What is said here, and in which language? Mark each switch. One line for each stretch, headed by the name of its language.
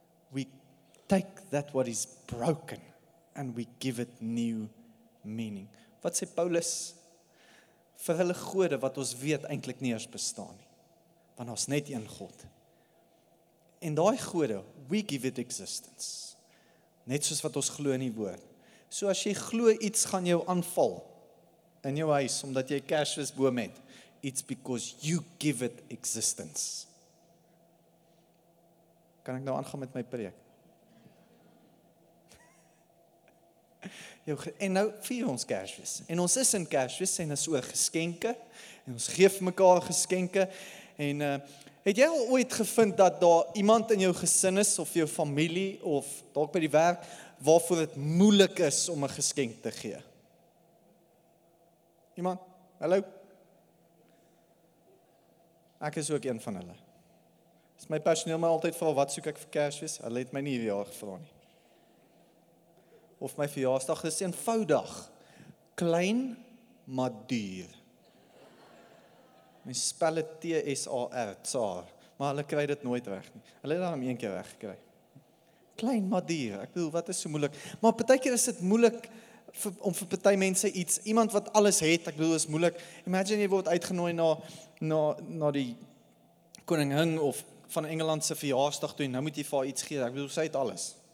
English: We take that what is broken and we give it new meaning.
Afrikaans: Wat sê Paulus? Vir hulle gode wat ons weet eintlik nie eers bestaan nie. Want ons net een God. En daai gode,
English: we give it existence.
Afrikaans: Net soos wat ons glo in die woord. So as jy glo iets gaan jou aanval in jou huis, omdat jy Kersfees boom het,
English: it's because you give it existence.
Afrikaans: Kan ek nou aangaan met my preek? En nou vier ons Kersfees. En ons is in Kersfees, en is oor geskenke, en ons gee vir mekaar geskenke, en het jy al ooit gevind dat daar iemand in jou gesin is, of jou familie, of dalk by die werk, waarvoor het moeilik is om 'n geskenk te gee? Iemand? Hallo? Ek is ook een van hulle. Is my personeel my altyd vir wat soek ek vir Kersfees? Hulle het my nie hierdie jaar gevra nie. of my verjaarsdag is eenvoudig. Klein, maar duur. Mens spel het T-S-A-R, tsaar, maar hulle kry dit nooit reg nie. Hulle het daarom een keer reg gekry. Klein, maar duur. Ek bedoel, wat is so moeilik? Maar partykeer is dit moeilik om vir party mense iets, iemand wat alles het, ek bedoel, is moeilik. Imagine jy word uitgenooi na die koningin of van Engeland se verjaarsdag toe, en nou moet jy vir iets gee, ek bedoel, sy het alles.